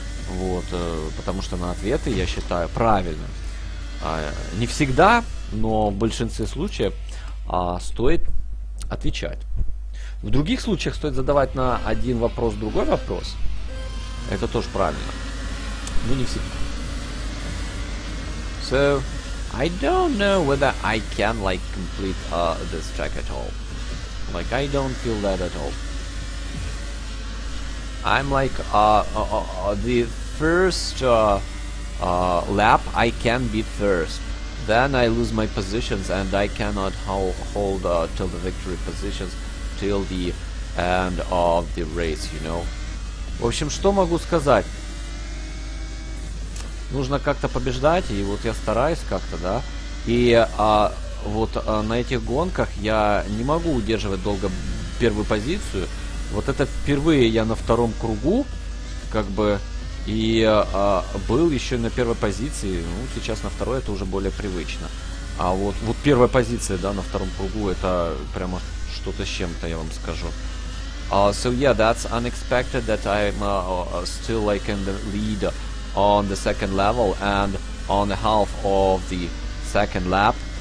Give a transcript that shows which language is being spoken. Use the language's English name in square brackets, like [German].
[Russian] Вот, потому что на ответы я считаю правильным. Не всегда, но в большинстве случаев стоит отвечать. В других случаях стоит задавать на один вопрос другой вопрос. Это тоже правильно. Но не всегда. [English] So, I don't know whether I can, like, complete this track at all. Like, I don't feel that at all. I'm like, the first lap, I can be first. Then I lose my positions and I cannot hold till the victory positions till the end of the race, you know. [Russian] В общем, что могу сказать? Нужно как-то побеждать, и вот я стараюсь как-то, да. И вот на этих гонках я не могу удерживать долго первую позицию. Вот это впервые я на втором кругу, как бы, и был еще на первой позиции. Ну, сейчас на второй это уже более привычно. А вот первая позиция, да, на втором кругу, это прямо что-то с чем-то, я вам скажу. [English] So yeah, that's unexpected that I'm still like in the lead on the second level and on the half of the second lap.